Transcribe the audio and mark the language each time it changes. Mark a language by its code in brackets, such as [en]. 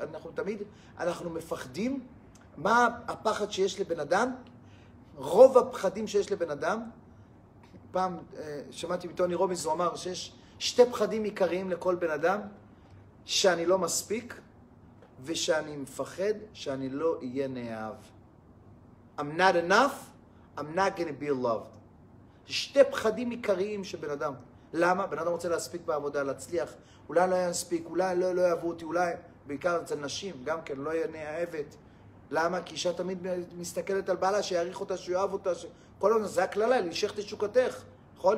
[he] אנחנו תמיד, אנחנו מפחדים מה הפחד שיש לבן אדם, רוב הפחדים שיש לבן אדם. פעם שמעתי מטוני רובינס, הוא אמר שיש שתי פחדים עיקריים לכל בן אדם, שאני לא מספיק, ושאני מפחד שאני לא אהיה נאהב. [en] I'm not enough, I'm not gonna be loved. [he] שתי פחדים עיקריים של בן אדם. למה? בן אדם רוצה להספיק בעבודה, להצליח. אולי לא יספיק, אולי לא יאהבו אותי, אולי, בעיקר אצל נשים, גם כן, לא נאהבת. למה? כי אישה תמיד מסתכלת על בעלה, שיעריך אותה, שיאהב אותה, כל הזמן, זה הכללה, להישך תשוקתך. נכון?